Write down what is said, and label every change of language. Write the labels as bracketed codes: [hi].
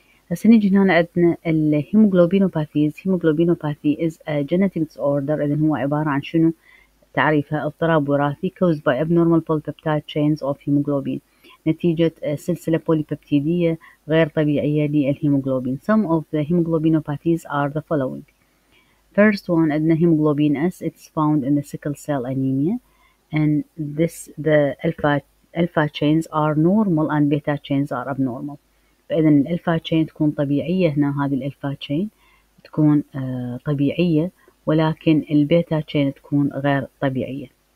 [ar] بس نيجي هنا عندنا الهيموغلوبينوباثيز. هيموغلوبينوباثي [en] is a genetic disorder، [ar] إذن هو عبارة عن شنو تعريفها؟ اضطراب وراثي [en] caused by abnormal polypeptide chains of hemoglobin، [ar] نتيجة سلسلة بوليبيبتيدية غير طبيعية للهيموغلوبين. [en] Some of the hemoglobinopathies are the following. First one [ar] عندنا هيموغلوبين S. [en] It's found in the sickle cell anemia and this the alpha chains are normal and beta chains are abnormal. [ar] فإذا الألفا تشين تكون طبيعية، هنا هذه الألفا تشين تكون طبيعية ولكن البيتا تشين تكون غير طبيعية.